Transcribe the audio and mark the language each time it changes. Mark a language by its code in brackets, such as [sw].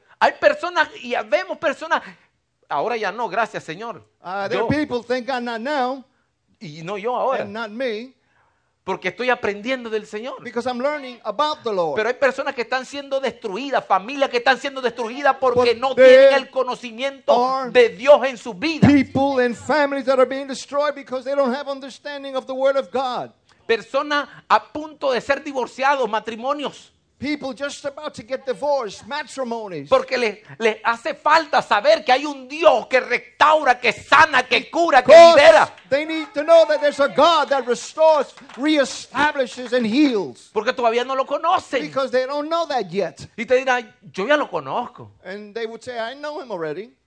[es] Hay personas, y vemos personas, ahora ya no, gracias Señor. [en] There are people, thank God, not now. [es] Y no yo ahora. [en] And not me. [es] Porque estoy aprendiendo del Señor. [en] Because I'm learning about the Lord. [es] Pero hay personas que están siendo destruidas, familias que están siendo destruidas porque no tienen el conocimiento de Dios en su vida. [en] People and families that are being destroyed because they don't have understanding of the word of God. [es] Personas a punto de ser divorciados, matrimonios. [en] People just about to get divorced, matrimonies. [es] Porque le hace falta saber que hay un Dios que restaura, que sana, que cura, que libera. [en] They need to know that there's a God that restores, reestablishes, and heals. [es] Porque todavía no lo conocen. [en] Because they don't know that yet. [es] Y te dirán, yo ya lo conozco. [en] And they would say, I know him already.